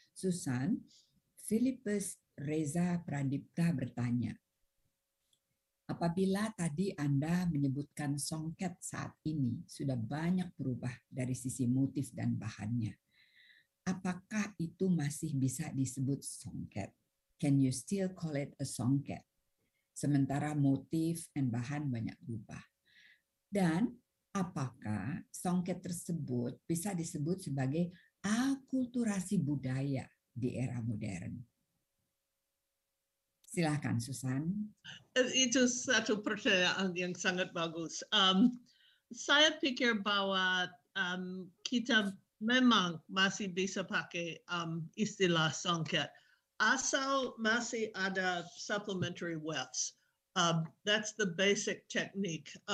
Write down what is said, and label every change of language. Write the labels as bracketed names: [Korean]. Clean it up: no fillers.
[Indonesian] Susan Philippus Reza Pradipta bertanya, apabila tadi Anda menyebutkan songket saat ini sudah banyak berubah dari sisi motif dan bahannya, apakah itu masih bisa disebut songket? [English] Can you still call it a songket? [Indonesian] Sementara motif dan bahan banyak berubah. Dan apakah songket tersebut bisa disebut sebagai akulturasi budaya di era modern? Silakan Susan. Itu satu pertanyaan yang sangat bagus. Saya pikir bahwa kita memang masih bisa pakai istilah songket asal masih ada supplementary wefts. [English] That's the basic technique.